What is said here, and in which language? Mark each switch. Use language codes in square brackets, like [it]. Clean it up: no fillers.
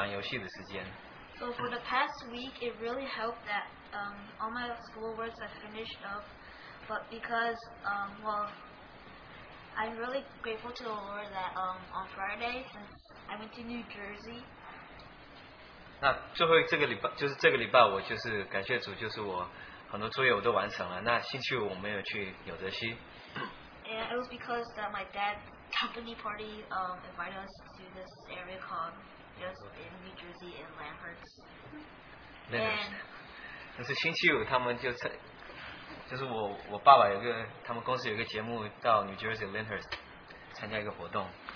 [en] So for the past week, it really helped that all my school works I finished up. But because, I'm really grateful to the Lord that on Friday, since I went to New Jersey, [zh] 那最后这个礼拜，就是这个礼拜，我就是感谢主，就是我很多作业我都完成了。那星期五我们有去纽泽西。 [en] Yeah, it was because that my dad's company party invited us to this area called in New Jersey in Lamberts. [zh] And 那是星期五他们就是我爸爸有个他们公司有个节目到 New Jersey Lamberts 参加一个活动。